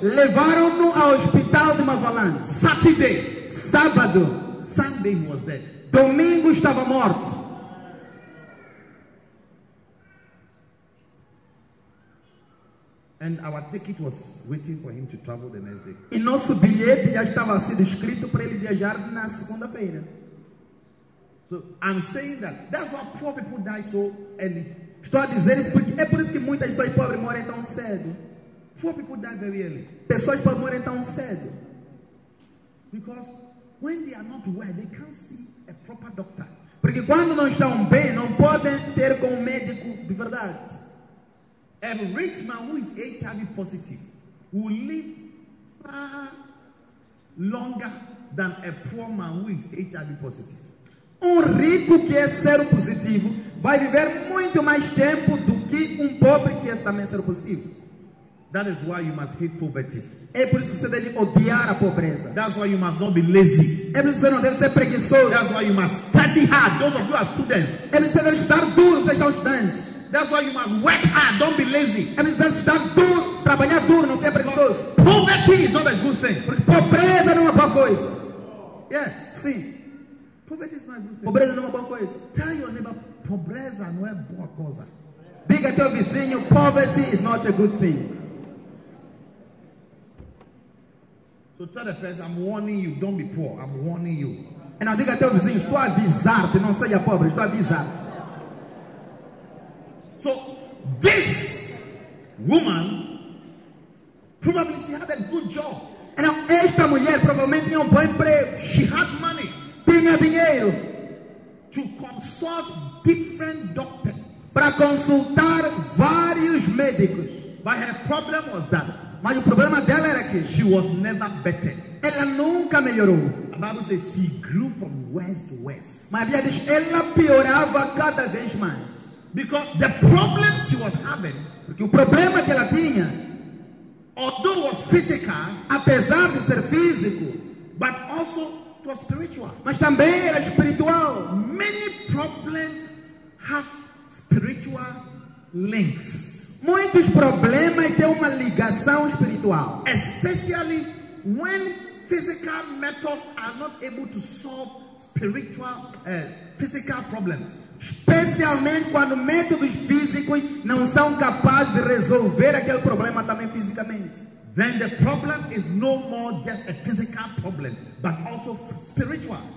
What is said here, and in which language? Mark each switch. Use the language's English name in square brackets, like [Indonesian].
[Portuguese] Levaram-no ao hospital de Mavalani. [English] Saturday. [Portuguese] Sábado. [English] Sunday was dead. [Portuguese] Domingo estava morto. [English] And our ticket was waiting for him to travel the next day. [Portuguese] E nosso bilhete já estava sendo escrito para ele viajar na segunda-feira. [English] So I'm saying that's why poor people die so early. [Portuguese] Estou a dizer isso porque é por isso que muitas pessoas pobres morrem tão cedo. [English] Poor people die very early. [Portuguese] Pessoas pobres morrem tão cedo. [English] Because when they are not well, they can't see a proper doctor. [Portuguese] Porque quando não estão bem, não podem ter com um médico de verdade. [English] A rich man who is HIV positive will live far longer than a poor man who is HIV positive. [Portuguese] Um rico que é seropositivo vai viver muito mais tempo do que pobre que é também seropositivo. [English] That is why you must hate poverty. [Portuguese] É por isso que você deve odiar a pobreza. [English] That's why you must not be lazy. [Portuguese] É por isso que você não deve ser preguiçoso. [English] That's why you must study hard. Those of you are students. [Portuguese] É por isso que você deve estar duro, vocês são estudantes. [English] That's why you must work hard. Don't be lazy. [Portuguese] É por isso que você deve estar duro, trabalhar duro, não ser preguiçoso. [English] Poverty is not a good thing. [Portuguese] Porque pobreza não é uma boa coisa. [English] Yes. [Portuguese] Sim. [English] Poverty is not a good thing. [Portuguese] Pobreza não é uma boa coisa. [English] Tell your neighbor, [Portuguese] pobreza não é boa coisa. Diga teu vizinho, [English] poverty is not a good thing. So tell the person, I'm warning you, don't be poor. I'm warning you. [Portuguese] E não diga teu vizinho, estou a avisar-te, não seja pobre, estou a avisar-te. [English] So this woman, probably she had a good job. [Portuguese] E não, esta mulher provavelmente tinha bom emprego. [English] She had money. [Portuguese] Tinha dinheiro. [English] to consult different doctors. [Portuguese] Para consultar vários médicos. [English] But her problem was that. [Portuguese] Mas o problema dela era que [English] she was never better. [Portuguese] Ela nunca melhorou. [English] The Bible says she grew from worse to worse. [Portuguese] Mas a Bíblia diz, ela piorava cada vez mais. [English] Because the problem she was having, [Portuguese] porque o problema que ela tinha, [English] although was physical, [Portuguese] apesar de ser físico, [English] but also it was spiritual. [Portuguese] Mas também era espiritual. [English] Many problems have spiritual links. [Portuguese] Muitos problemas têm uma ligação espiritual. [English] Especially when physical methods are not able to solve spiritual physical problems. [Portuguese] Especialmente quando métodos físicos não são capazes de resolver aquele problema também fisicamente. [English] Then the problem is no more just a physical problem, but also spiritual.